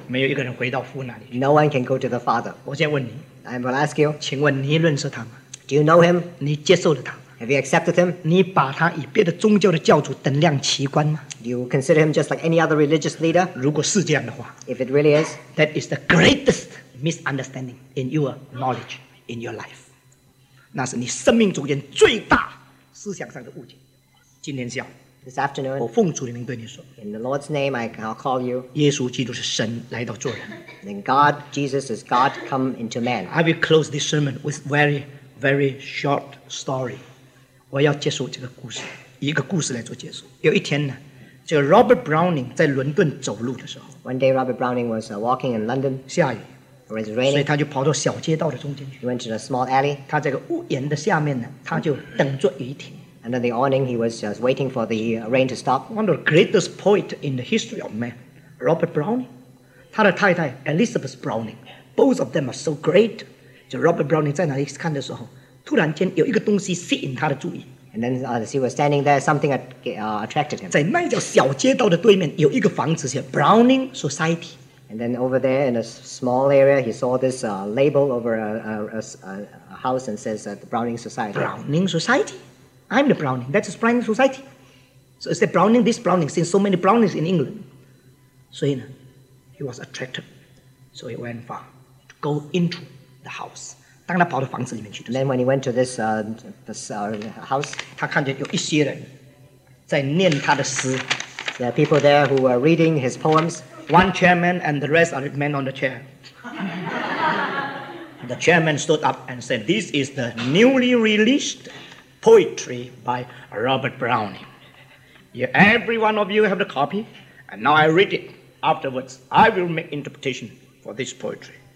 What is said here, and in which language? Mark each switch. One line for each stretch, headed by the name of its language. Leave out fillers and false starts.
Chinese: 没有一个人回到父那里,
English: no one can go to the Father.
Chinese: 我先问你,
English: I will ask you,
Chinese: 请问你认识他吗?
English: Do you know him?
Chinese: 你接受了他吗?
English: Have you accepted him?
Chinese: 你把他以别的宗教的教主等量齐观吗?
English: Do you consider him just like any other religious leader?
Chinese: 如果是这样的话,
English: if it really is, that is the greatest misunderstanding in your knowledge, in your life.
Chinese: 那是你生命中间最大思想上的误解。今天下午,
English: this afternoon,
Chinese: 我奉主的名对你说,
English: in the Lord's name, I'll call you.
Chinese: 耶稣基督是神来到做人。
English: Then God, Jesus is God come into man. I will close this sermon with very, very short story.
Chinese: 我要结束这个故事，以一个故事来做结束。有一天呢, 这个 Robert Browning 在伦敦走路的时候,
English: one day Robert Browning was walking in London.
Chinese: 下雨。
English: Raining,
Chinese: 所以他就跑到小街道的中间去,
English: he went to the small alley.
Chinese: 他在个屋檐的下面呢, 他就等着雨停,
English: and in the awning he was just waiting for the rain to stop. One of the greatest poets in the history of man, Robert Browning.
Chinese: 他的太太
English: Elizabeth Browning, both of them are so great.
Chinese: 就 Robert Browning 在那里看的时候, 突然间有一个东西吸引他的注意,
English: and then as he was standing there, something attracted him.
Chinese: 在那条小街道的对面有一个房子叫 Browning Society,
English: And then over there in a small area, he saw this label over a house and says the Browning Society. Browning Society? I'm the Browning. That's the Browning Society. So he said, Browning, this Browning, since so many Brownings in England. So he was attracted. So he went far to go into the house. And then when he went to this, house,
Chinese: 他看见有一些人在念他的诗,
English: there are people there who were reading his poems. One chairman and the rest are men on the chair. The chairman stood up and said, this is the newly released poetry by Robert Browning. Every one of you have the copy, and now I read it. Afterwards, I will make interpretation for this poetry.